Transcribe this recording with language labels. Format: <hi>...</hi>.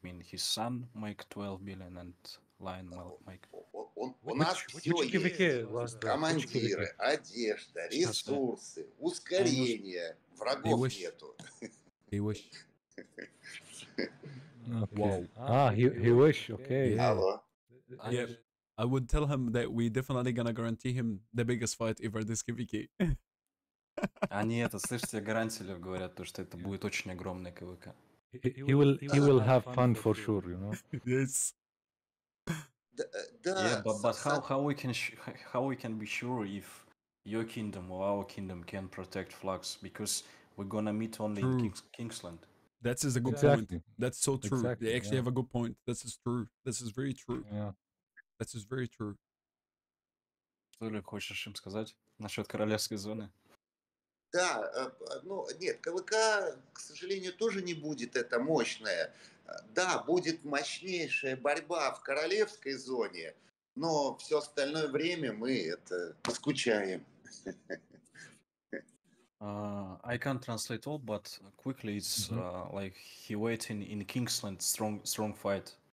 <en>I mean his son make 12 billion and Lion will make.</en> <ru>У нас все KVK есть. Командиры, KVK? Одежда, ресурсы, ускорение. Врагов нету.</ru> <en>He wish. I would tell him that we definitely gonna guarantee him the biggest fight ever this KVK.</en> <ru>Они это, слышите, гарантили, говорят, то, что это будет очень огромный КВК.</ru> <en>He will have fun for sure, you know. Yes. Yeah, but how we can be sure if your kingdom or our kingdom can protect Flux, because we're gonna meet only in Kingsland. That is a good point. That's so true. Exactly, they actually have a good point. This is true. This is very true. Yeah. That is very true.</en> <ru>Что ли хочешь им сказать насчет королевской зоны? Да, ну нет, КВК, к сожалению, тоже не будет это мощное. Да, будет мощнейшая борьба в королевской зоне, но все остальное время мы это скучаем.</ru> <en>I can't translate all, but quickly it's like he waiting in Kingsland strong fight.</en>